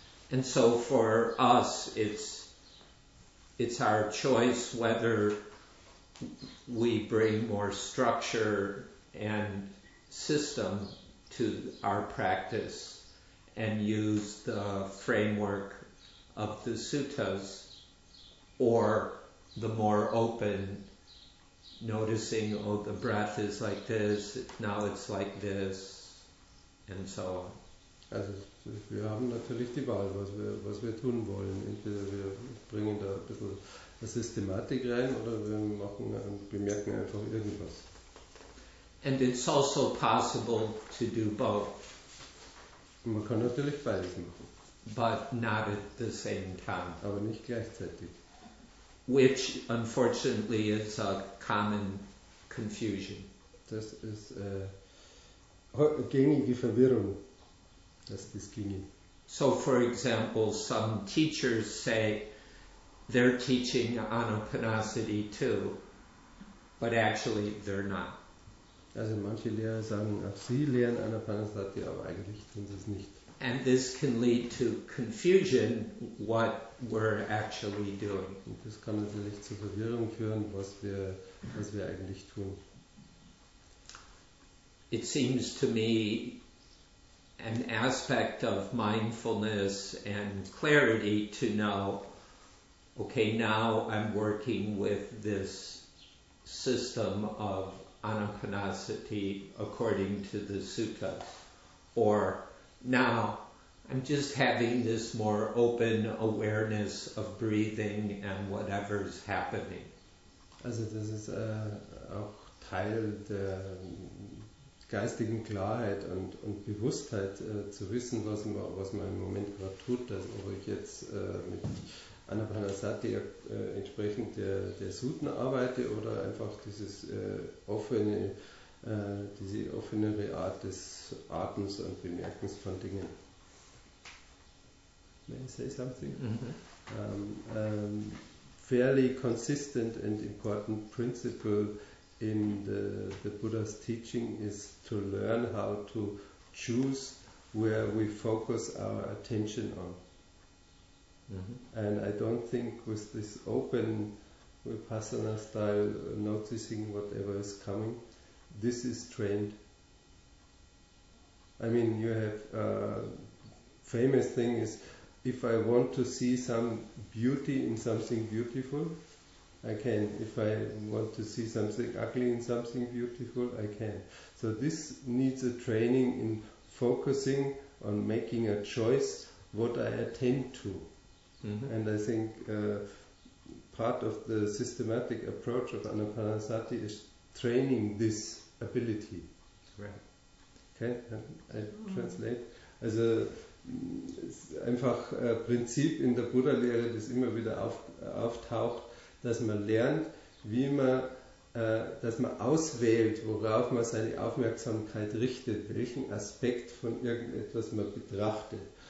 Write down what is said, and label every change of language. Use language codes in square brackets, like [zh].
[en] And so for us, it's our choice whether we bring more structure and system to our practice and use the framework of the suttas, or the more open noticing, oh, the breath is like this, now it's like this, and so on. [de] Also, wir haben natürlich die Wahl, was wir tun wollen. Entweder wir bringen da ein bisschen eine Systematik rein, oder wir machen und bemerken einfach irgendwas. [en] And it's also possible to do both. [de] Man kann natürlich beides machen. [en] But not at the same time. [de] Aber nicht gleichzeitig. [en] Which, unfortunately, is a common confusion. [de] Das ist gängige Verwirrung. Das ginge. [en] So, for example, some teachers say they're teaching Anapanasati too, but actually they're not. [de] Also manche Lehrer sagen, sie lehren Anapanasati, aber eigentlich tun sie es nicht. [en] And this can lead to confusion what we're actually doing. [de] Und das kann natürlich zu Verwirrung führen, was wir eigentlich tun. [en] It seems to me an aspect of mindfulness and clarity to know, okay, now I'm working with this system of Anapanasati according to the suttas, or now I'm just having this more open awareness of breathing and whatever's happening. [de] Also das ist auch Teil der geistigen Klarheit und Bewusstheit, zu wissen, was man im Moment gerade tut, dass, ob ich jetzt mit Anapanasati entsprechend der Sutten arbeite oder einfach diese offenere Art des Atems und Bemerkens von Dingen. [en] May I say something? Mm-hmm. Fairly consistent and important principle in the Buddha's teaching is to learn how to choose where we focus our attention on. Mm-hmm. And I don't think with this open Vipassana style, noticing whatever is coming, this is trained. I mean, you have a famous thing is, if I want to see some beauty in something beautiful, I can. If I want to see something ugly in something beautiful, I can. So this needs a training in focusing on making a choice what I attend to. Mm-hmm. And I think part of the systematic approach of Anapanasati is training this ability. Right. Okay, I translate. [de] Also, es ist einfach ein Prinzip in der Buddha-Lehre, das immer wieder auftaucht, dass man lernt, wie man, dass man auswählt, worauf man seine Aufmerksamkeit richtet, welchen Aspekt von irgendetwas man betrachtet.